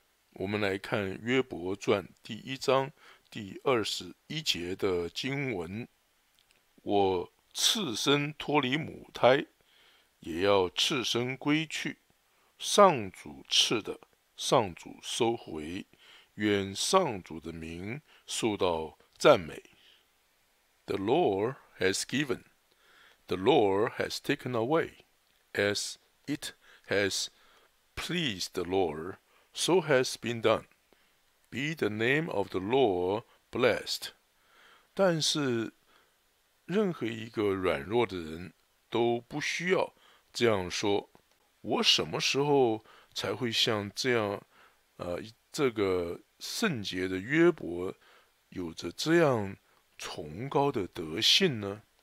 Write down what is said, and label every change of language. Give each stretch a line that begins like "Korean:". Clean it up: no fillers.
Chinese: 我们来看约伯传第一章第21节的经文：我赤身脱离母胎，也要赤身归去。上主赤的，上主收回，愿上主的名受到赞美。
English: The Lord has given, the Lord has taken away. As it has pleased the Lord, so has been done. Be the name of the Lord blessed.
Chinese: 但是，任何一个软弱的人都不需要这样说。我什么时候才会像这样，这个圣洁的约伯有着这样崇高的德性呢？